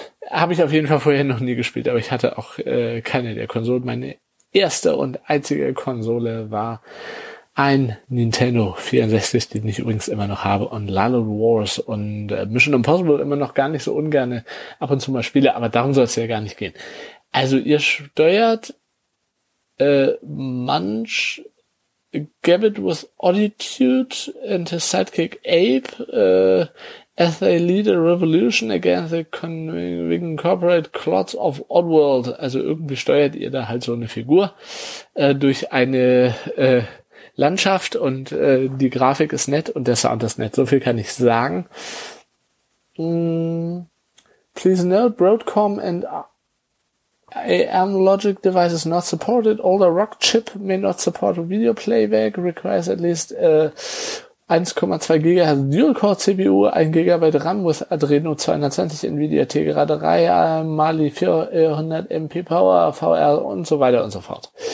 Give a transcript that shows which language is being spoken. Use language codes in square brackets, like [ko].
[de] Habe ich auf jeden Fall vorher noch nie gespielt, aber ich hatte auch keine der Konsolen. Meine erste und einzige Konsole war ein Nintendo 64, den ich übrigens immer noch habe, und Lalo Wars und Mission Impossible immer noch gar nicht so ungern ab und zu mal spiele, aber darum soll es ja gar nicht gehen. Also ihr steuert [en] Munch, Gabbit with Attitude and his sidekick Abe, as they lead a revolution against the corporate clots of Oddworld. [de] Also irgendwie steuert ihr da halt so eine Figur durch eine Landschaft, und die Grafik ist nett und der Sound ist nett. So viel kann ich sagen. [en] Please note, Broadcom and AM logic devices not supported. Older Rock chip may not support video playback. Requires at least 1,2 GHz Dual-Core CPU, 1 GB RAM with Adreno 220, Nvidia T-Grade 3, Mali 400 MP Power, VR [de] und so weiter und so fort.